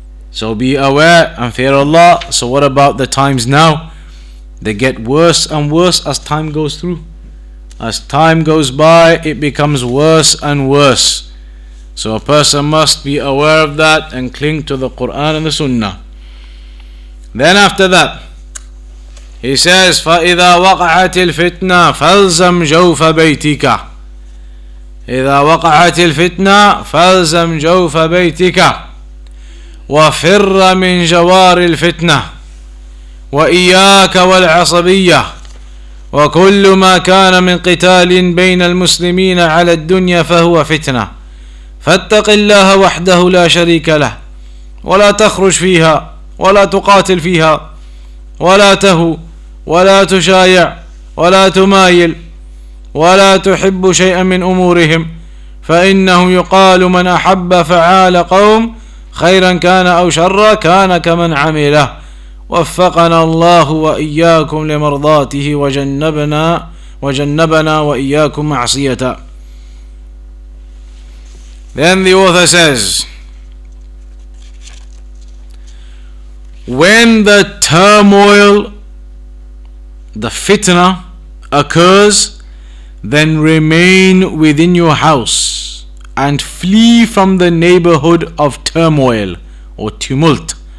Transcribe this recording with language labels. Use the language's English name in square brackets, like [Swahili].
[English] So be aware and fear Allah. So what about the times now? They get worse and worse as time goes through. As time goes by, it becomes worse and worse. So a person must be aware of that and cling to the Quran and the Sunnah. Then after that, he says, [Arabic] فَإِذَا وَقَعَتِ الْفِتْنَةِ فَالْزَمْ جَوْفَ بَيْتِكَ. إِذَا وَقَعَتِ الْفِتْنَةِ فَالْزَمْ جَوْفَ بَيْتِكَ وَفِرَّ مِنْ جَوَارِ الْفِتْنَةِ وَإِيَّاكَ وَالْعَصَبِيَّةِ وَكُلُّ مَا كَانَ مِنْ قِتَالٍ بَيْنَ الْمُسْلِمِينَ عَلَى الدُّنْيَا فَهُوَ فِتْنَةِ فَاتَّقِ اللَّهَ وَحْدَهُ لَا شَرِيكَ لَهُ وَلَا تَخْرُجْ فِيهَا وَلَا تُقَاتِلْ فِيهَا ولا تهو ولا تشايع ولا تمايل ولا تحب شيئا من أمورهم فإنه يقال من أحب فعال قوم خيرا كان أو شرا كان كمن عمله وفقنا الله وإياكم لمرضاته وجنبنا وإياكم معصيته. [English] Then the author says, when the turmoil, the fitna, occurs, then remain within your house and flee from the neighborhood of turmoil or tumult.